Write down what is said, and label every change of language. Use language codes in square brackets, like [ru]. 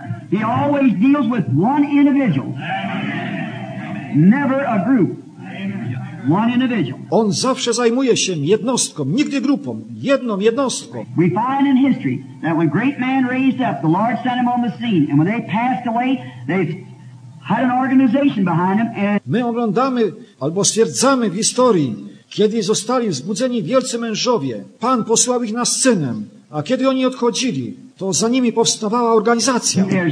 [en] He always deals with one individual. Never a group. One individual. [pl] On zawsze zajmuje się jednostką, nigdy grupą, jedną jednostką. [en] We find in history that when great men raised up, the Lord sent them on the scene, and when they passed away, they had an organization behind them. [pl] My oglądamy albo stwierdzamy w historii, kiedy zostali wzbudzeni wielcy mężowie, Pan posłał ich na scenę, a kiedy oni odchodzili, to za nimi powstawała organizacja.